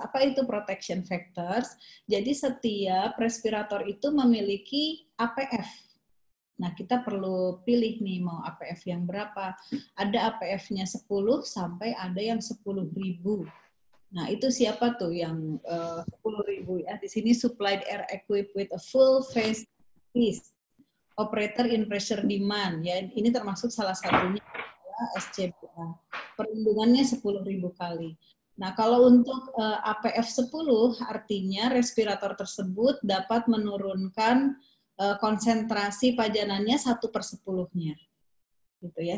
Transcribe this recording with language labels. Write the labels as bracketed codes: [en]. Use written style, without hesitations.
[id] Apa itu [en] protection factors? [id] Jadi setiap respirator itu memiliki APF. Nah, kita perlu pilih nih mau APF yang berapa. Ada APF-nya 10 sampai ada yang 10.000. Nah, itu siapa tuh yang 10.000 ya? [en] Di sini supplied air equipped with a full face piece. Operator in pressure demand. [id] Ya, ini termasuk salah satunya SCBA. Perlindungannya 10.000 kali. Nah, kalau untuk APF 10, artinya respirator tersebut dapat menurunkan konsentrasi pajanannya 1/10-nya. Gitu ya.